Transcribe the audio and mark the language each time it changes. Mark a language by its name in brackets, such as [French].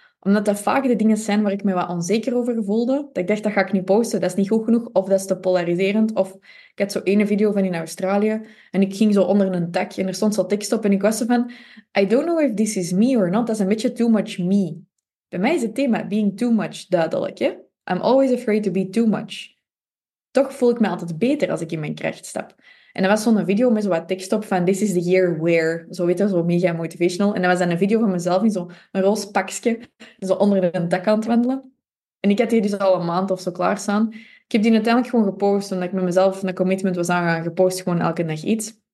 [Dutch] Omdat dat vaak de dingen zijn waar ik me wat onzeker over voelde. Dat ik dacht, dat ga ik nu posten, dat is niet goed genoeg. Of dat is te polariserend. Of ik had zo ene video van in Australië. En ik ging zo onder een tag en er stond zo tekst op. En ik was zo van, [English] I don't know if this is me or not. [Dutch] Dat is een beetje [English] too much me. [Dutch] Bij mij is het thema [English] being too much [Dutch] duidelijk. Hè? [English] I'm always afraid to be too much. [Dutch] Toch voel ik me altijd beter als ik in mijn kracht stap. En dat was zo'n video met zo wat tekst op van [English] this is the year where. [Dutch] Zo weet je, zo mega motivational. En dat was dan een video van mezelf in zo'n roze pakje. Zo onder een dak aan het wandelen. En ik had die dus al een maand of zo klaarstaan. Ik heb die uiteindelijk gewoon gepost omdat ik met mezelf een commitment was aangegaan. Gepost gewoon elke dag iets.